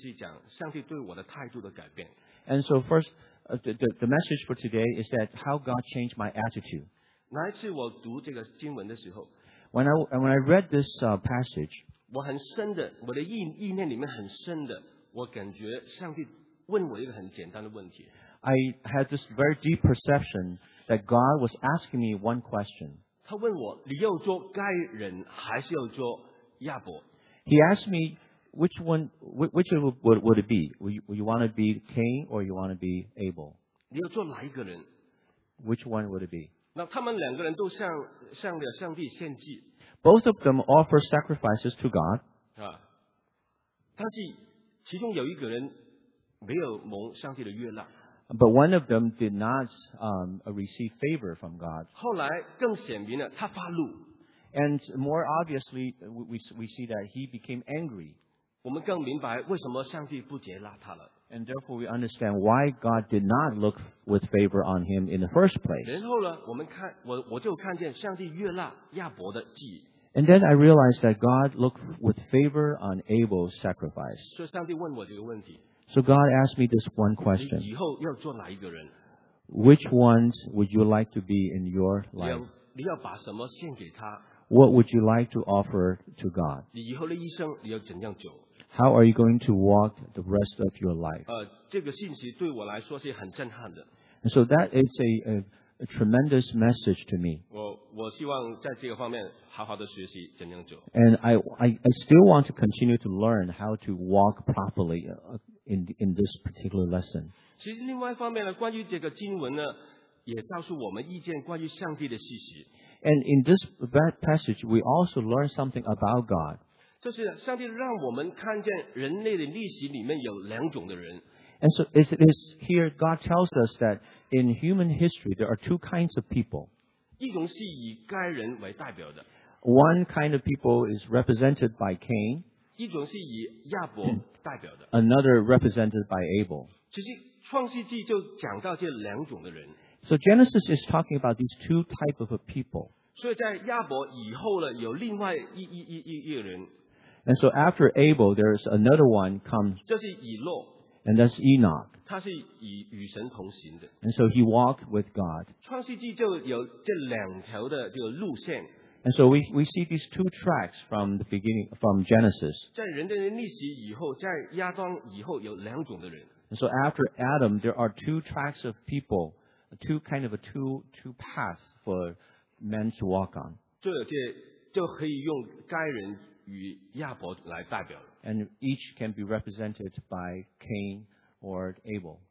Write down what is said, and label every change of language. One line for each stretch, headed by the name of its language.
Chinese: 好，很简单，今天的主要的信息就是讲上帝对我的态度的改变。
English: And so first, the message for today is that how God changed my attitude.
Chinese: 那一次我读这个经文的时候，
English: When I read this passage,
Chinese: 我很深的，我的意念里面很深的，我感觉上帝问我一个很简单的问题。
English: I had this very deep perception that God was asking me one question.
Chinese: 他问我，你要做该人还是要做亚伯？
English: He asked me which one would it be? Would you want to be Cain or you want to be Abel?
Chinese: 你要做哪一个人？
English: Which one would it be?
Chinese: 那他们两个人都向了上帝献祭。
English: Both of them offer sacrifices to God.
Chinese: 啊，但是其中有一个人没有蒙上帝的悦纳。
English: But one of them did not receive favor from God.
Chinese: 后来更显明了他发怒。
English: And more obviously, we see that he became angry.
Chinese: 我们更明白为什么上帝不接纳他了。
English: And therefore, we understand why God did not look with favor on him in the first place.
Chinese: 然后呢，我们看我就看见上帝悦纳亚伯的祭。
English: And then I realized that God looked with favor on Abel's sacrifice.
Chinese: 所以上帝问我这个问题。
English: So God asked me this one question.
Chinese: 你以后要做哪一个人？
English: Which ones would you like to be in your life?
Chinese: 你要把什么献给他？
English: What would you like to offer to God?
Chinese: 你以后的一生你要怎样走？
English: How are you going to walk the rest of your life?
Chinese: 这个信息对我来说是很震撼的。
English: And so that is a tremendous message to me.
Chinese: 我希望在这个方面好好的学习怎样走。
English: And I still want to continue to learn how to walk properly in this particular lesson.
Chinese: 其实另外一方面呢，关于这个经文呢，也告诉我们一件关于上帝的事实。
English: And in this passage, we also learn something about God.
Chinese: 就是上帝让我们看见人类的历史里面有两种的人。
English: And so it is here God tells us that in human history there are two kinds of people.
Chinese: 一种是以该人为代表的。
English: One kind of people is represented by Cain.
Chinese: 一种是以亚伯代表的。
English: Another represented by Abel.
Chinese: 其实创世纪就讲到这两种的人。
English: So Genesis is talking about these two types of people.
Chinese: 所以在亚伯以后呢，有另外一人。
English: And so after Abel, there is another one comes.
Chinese: 就是以诺。
English: And that's Enoch.
Chinese: 他是与神同行的。
English: And so he walked with God.
Chinese: 创世纪就有这两条的这个路线。
English: And so we see these two tracks from the beginning, from Genesis.
Chinese: 在人类历史以后，在亚当以后有两种的人。
English: And so after Adam, there are two tracks of people. Two kind of a two paths for men to walk on.
Chinese: 就可以用该人与亚伯来代表。
English: And each can be represented by Cain or Abel.